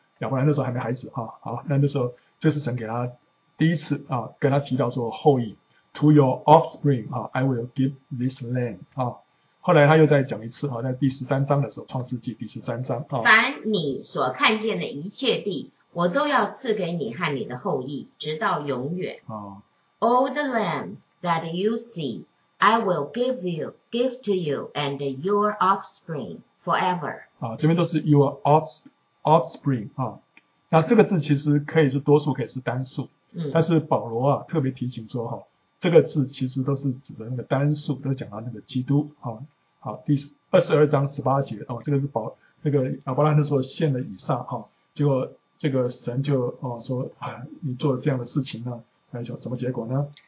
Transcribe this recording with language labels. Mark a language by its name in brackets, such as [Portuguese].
[Chinese] 亚伯兰那时候还没孩子啊，好，那时候这是神给他第一次啊跟他提到说后裔 [English] to your offspring [Chinese] 啊 [English] I will give this land [Chinese] 啊。后来他又再讲一次，在第十三章的时候，创世纪第十三章，凡你所看见的一切地，我都要赐给你和你的后裔，直到永远。 [English] All the land that you see, I will give to you and your offspring forever. [Chinese] 这边都是 [English] your offspring. [Chinese] 那这个字其实可以是多数，可以是单数。但是保罗啊特别提醒说，这个字其实都是指的那个单数，都讲到那个基督。好，第22章18节，这个是保那个亚伯拉罕说献了以撒，结果这个神就说你做了这样的事情呢，那叫什么结果呢？